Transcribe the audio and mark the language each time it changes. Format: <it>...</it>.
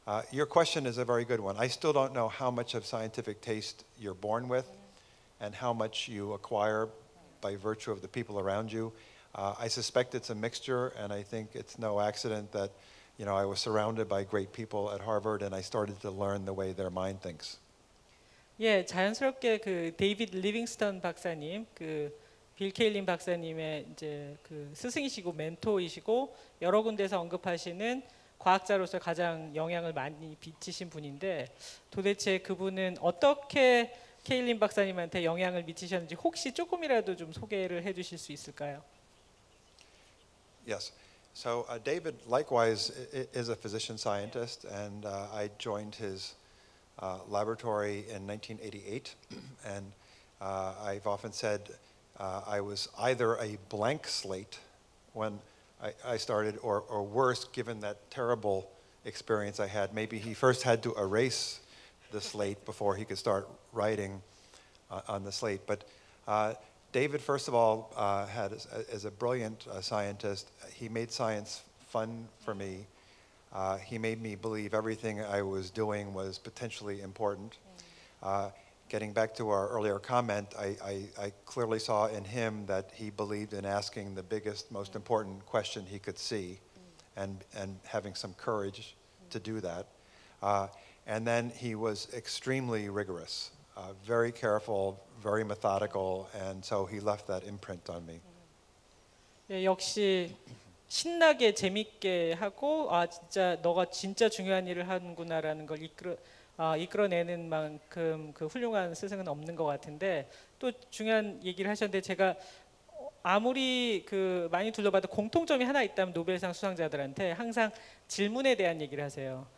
<en>Your question is a very good one. I still don't know how much of scientific taste you're born with and how much you acquire by virtue of the people around you. I suspect it's a mixture, and I think it's no accident that, you know, I was surrounded by great people at Harvard and I started to learn the way their mind thinks.</en> <ko>예, 자연스럽게 그 데이비드 리빙스턴 박사님, 그 빌 케일린 박사님의 이제 그 스승이시고 멘토이시고 여러 군데서 언급하시는 과학자로서 가장 영향을 많이 미치신 분인데 도대체 그분은 어떻게 케일린 박사님한테 영향을 미치셨는지 혹시 조금이라도 좀 소개를 해주실 수 있을까요?</ko> <en>Yes. So David likewise is a physician scientist and I joined his laboratory in 1988 and I've often said I was either a blank slate when I started or worse given that terrible experience I had. Maybe he first had to erase the slate before he could start writing on the slate. But David, first of all, is a brilliant scientist. He made science fun for me. He made me believe everything I was doing was potentially important. Getting back to our earlier comment, I clearly saw in him that he believed in asking the biggest, most important question he could see and having some courage to do that. And then he was extremely rigorous, very careful, very methodical, and so he left that imprint on me.</en> <ko>네, 역시 신나게 재밌게 하고 아 진짜 너가 진짜 중요한 일을 하는구나라는 걸 이끌어내는 만큼 그 훌륭한 스승은 없는 것 같은데 또 중요한 얘기를 하셨는데 제가 아무리 그 많이 둘러봐도 공통점이 하나 있다면 노벨상 수상자들한테 항상 질문에 대한 얘기를 하세요.</ko>